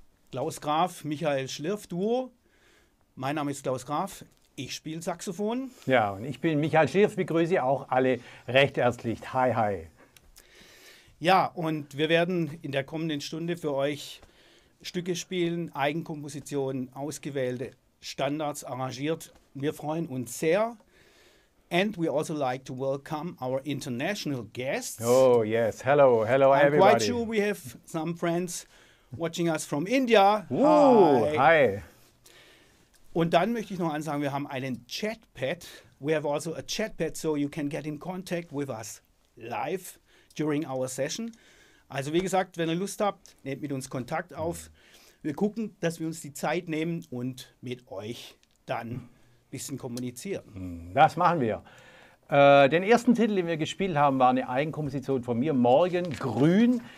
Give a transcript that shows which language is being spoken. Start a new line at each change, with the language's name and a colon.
German: Klaus Graf, Michael Schlürf, Duo. Mein Name ist Klaus Graf, ich spiele Saxophon. Ja, und ich bin Michael Schlürf, begrüße auch alle recht herzlich. Hi, hi. Ja, und wir werden in der kommenden Stunde für euch Stücke spielen, Eigenkompositionen, ausgewählte Standards arrangiert. Wir freuen uns sehr.
English: And we also like to welcome our international guests. Oh, yes. Hello. Hello, I'm everybody. I'm quite sure we have some friends watching us from India. Ooh, hi.
German: Und dann möchte ich noch ansagen, wir haben einen Chatpad.
English: We have also a Chatpad, so you can get in contact with us live during our session.
German: Also wie gesagt, wenn ihr Lust habt, nehmt mit uns Kontakt auf. Wir gucken, dass wir uns die Zeit nehmen und mit euch dann bisschen kommunizieren. Das machen wir. Den ersten Titel, den wir gespielt haben, war eine Eigenkomposition von mir, Morgen Grün.